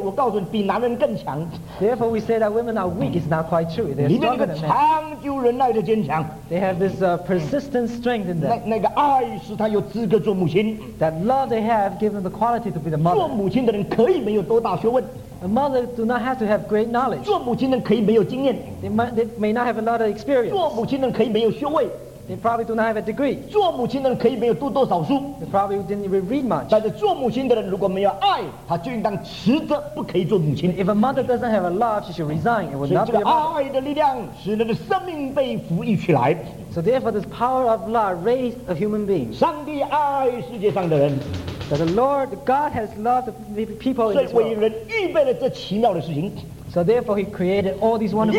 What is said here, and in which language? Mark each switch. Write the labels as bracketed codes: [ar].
[zh] 所以我们说女人是弱者，这句话不大对。我告诉你，比男人更强。 [en] Therefore, we say that women are weak. It's not quite true. They're stronger than men. [zh] 里面那个长久忍耐的坚强。 [en] They have this persistent strength in them. [zh] 那个爱使他有资格做母亲。 [en] That love they have given the quality to be the mother. [zh] 做母亲的人可以没有多大学问。 [en] A mother do not have to have great knowledge. [zh] 做母亲的可以没有经验。 [en] They may not have a lot of experience. [zh] 做母亲的可以没有学位。 [en] They probably do not have a degree. [zh] 做母亲的可以没有读多少书。 [en] They probably didn't even read much. [zh] 但是做母亲的人如果没有爱，他就应当辞职，不可以做母亲。 [en] If a mother doesn't have a love, she should resign. It will not be a mother. [zh] 所以这个爱的力量使人的生命被抚育起来。 [en] So therefore, this power of love raised a human being. [zh] 上帝爱世界上的人。 [en] That the Lord, God has loved the people in this world. So therefore he created all these wonderful things.